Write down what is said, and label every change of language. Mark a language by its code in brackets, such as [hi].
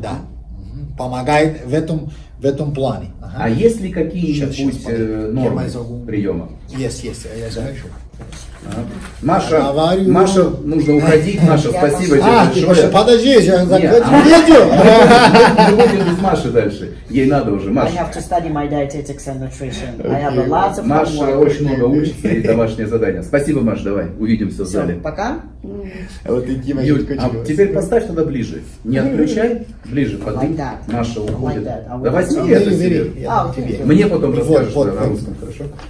[ru] Да. Помогает в этом плане. Ага. А есть ли какие-нибудь нормы приема? Есть. Ага. Маша, нужно уходить. Маша, спасибо тебе большое. Подожди, я закончу видео. Мы будем без Маши дальше. Ей надо уже, Маша. [en] I have to study my dietetics and nutrition. Okay. I have lots of [ru] Маша homework. Очень много учится и домашнее задание. Спасибо, Маша, давай, увидимся в зале. Пока. Вот такие мои кочевые. Теперь поставь тогда ближе. Не отключай, ближе подвинь. [en] Like that. [ru] Маша уходит. [en] Like that. [ru] Давай сними это себе. Мне потом расскажешь на русском, хорошо?